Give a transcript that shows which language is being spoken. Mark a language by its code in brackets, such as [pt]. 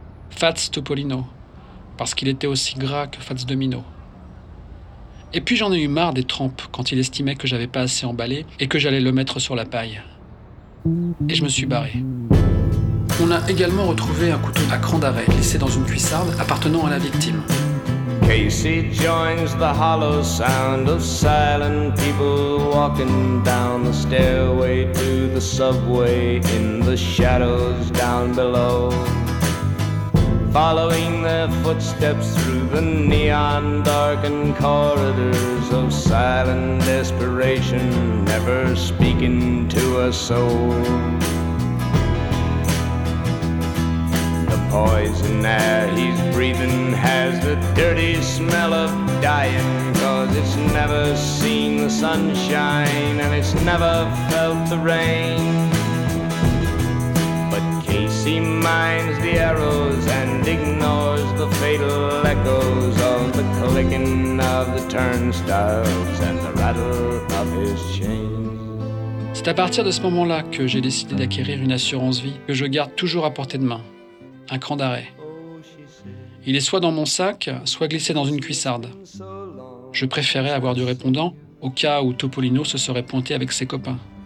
[fr] Fats Topolino, parce qu'il était aussi gras que Fats Domino. Et puis j'en ai eu marre des trempes quand il estimait que j'avais pas assez emballé et que j'allais le mettre sur la paille. Et je me suis barré. On a également retrouvé un couteau à cran d'arrêt laissé dans une cuissarde appartenant à la victime. [en] Casey joins the hollow sound of silent people walking down the stairway to the subway in the shadows down below. Following their footsteps through the neon darkened corridors of silent desperation, never speaking to a soul. The poison air he's breathing has the dirty smell of dying, 'cause it's never seen the sunshine and it's never felt the rain. He minds the arrows and ignores the fatal echoes of the clicking of the turnstiles and the rattle of his chains. [fr] C'est à partir de ce moment-là que j'ai décidé d'acquérir une assurance vie que je garde toujours à portée de main, un cran d'arrêt. Il est soit dans mon sac, soit glissé dans une cuissarde. Je préférais avoir du répondant au cas où Topolino se serait pointé avec ses copains.